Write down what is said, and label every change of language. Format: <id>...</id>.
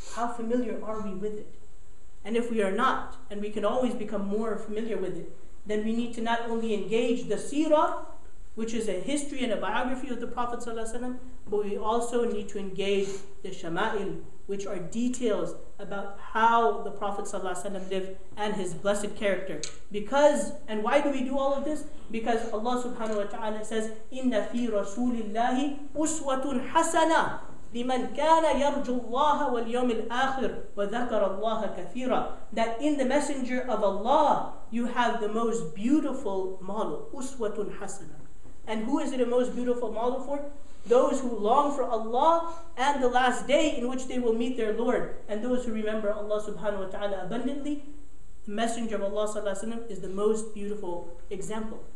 <en>How familiar are we with it? And if we are not, and we can always become more familiar with it, then we need to not only engage the seerah, which is a history and a biography of the Prophet ﷺ, but we also need to engage the shama'il, which are details about how the Prophet ﷺ lived and his blessed character. Because, and why do we do all of this? Because Allah subhanahu wa ta'ala says,</en> <ar>إِنَّ فِي رَسُولِ اللَّهِ أُسْوَةٌ حَسَنَةٌ لِمَنْ كَانَ يَرْجُ اللَّهَ وَالْيَوْمِ الْآخِرِ وَذَكَرَ اللَّهَ كَثِيرًا.</ar> <en>That in the Messenger of Allah, you have the most beautiful model,</en> <ar>أُسْوَةٌ حَسَنَةٌ.</ar> <en>And who is it a most beautiful model for? Those who long for Allah and the last day in which they will meet their Lord. And those who remember Allah subhanahu wa ta'ala abundantly, the Messenger of Allah sallallahu alaihi wasallam is the most beautiful example.</en>